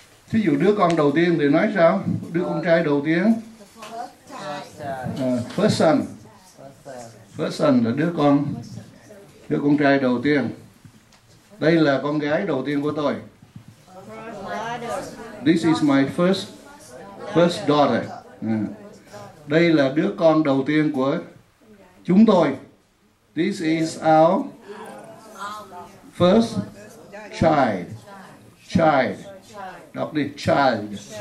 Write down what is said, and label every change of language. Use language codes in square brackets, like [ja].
[vi] Thí dụ đứa con đầu tiên thì nói sao? Đứa con trai đầu tiên? [en] First son. First son [vi] là đứa con. Đứa con trai đầu tiên. Đây là con gái đầu tiên của tôi. [en] This is my first daughter. [vi] Đây là đứa con đầu tiên của chúng tôi. [en] This is our first child. Child. [vi] Đọc đi, child.